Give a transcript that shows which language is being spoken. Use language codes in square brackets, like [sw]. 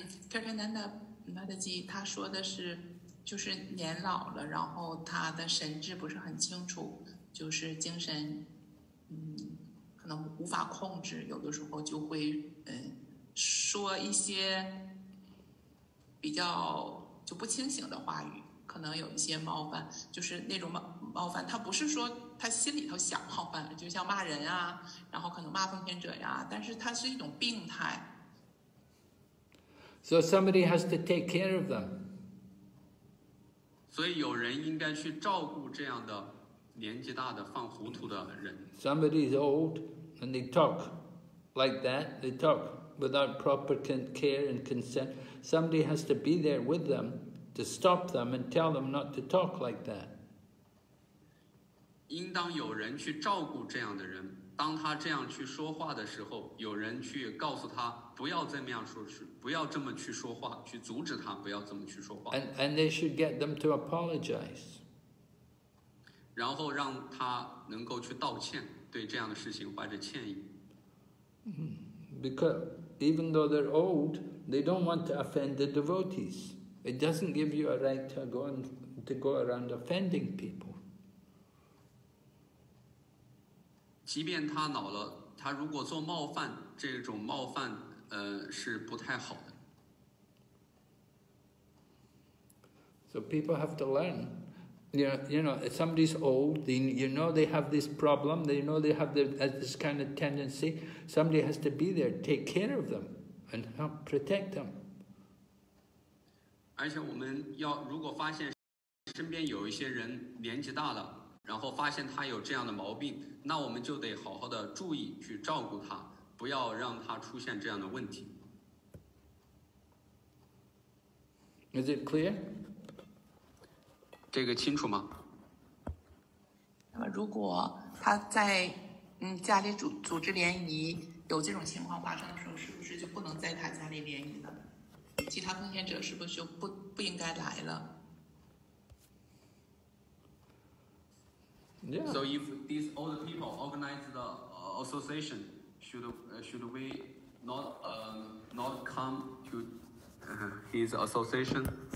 [zh] Kirtananda Madhaji, 他说的是就是年老了，然后他的神志不是很清楚，就是精神，可能无法控制，有的时候就会，说一些比较就不清醒的话语，可能有一些冒犯，就是那种冒犯，他不是说他心里头想冒犯，就像骂人啊，然后可能骂奉献者呀，但是他是一种病态。 [en] So somebody has to take care of them. [zh] 所以有人应该去照顾这样的年纪大的犯糊涂的人。 [en] Somebody is old and they talk like that. They talk without proper care and consent. Somebody has to be there with them to stop them and tell them not to talk like that. [zh] 应当有人去照顾这样的人。当他这样去说话的时候，有人去告诉他不要这么样说，不要这么去说话，去阻止他不要这么去说话。 [en] And they should get them to apologize. [zh] 然后让他能够去道歉，对这样的事情怀着歉意。 [en] Because even though they're old, they don't want to offend the devotees. It doesn't give you a right to go around offending people. [zh] 即便他老了，他如果做冒犯，这种冒犯，是不太好的。 [en] So people have to learn. You know, if somebody's old, they have this problem, they know they have this kind of tendency, somebody has to be there, take care of them, and help protect them. [zh] 而且我们要，如果发现身边有一些人年纪大了，然后发现他有这样的毛病，那我们就得好好的注意去照顾他，不要让他出现这样的问题。 [en] Is it clear? [zh] 这个清楚吗？那么如果他在家里组织联谊，有这种情况发生的时候，是不是就不能在他家里联谊了？其他奉献者是不是就不应该来了？ [en] Yeah. So if these old people organize the association, should we not come to his association?